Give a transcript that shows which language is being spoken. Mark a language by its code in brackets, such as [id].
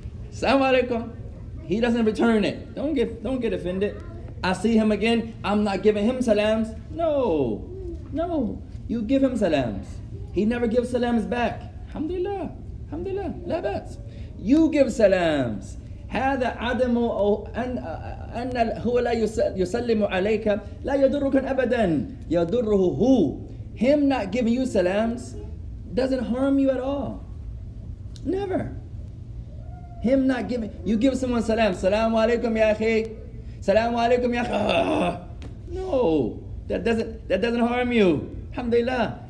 [ar] Salam alaikum. [en] He doesn't return it. Don't get offended. I see him again. I'm not giving him salams. No. You give him salams. He never gives salams back. Alhamdulillah. Alhamdulillah. La bas. You give salams. [ar] هذا عدم أن هو لا يسلم عليك لا يضرك أبدا يضره هو. [en] Him not giving you salams doesn't harm you at all. Never. Him not giving, you give someone salam. [ar] Salamu alaikum ya akhi. Salamu alaikum ya akhi. [en] No, that doesn't harm you. Alhamdulillah.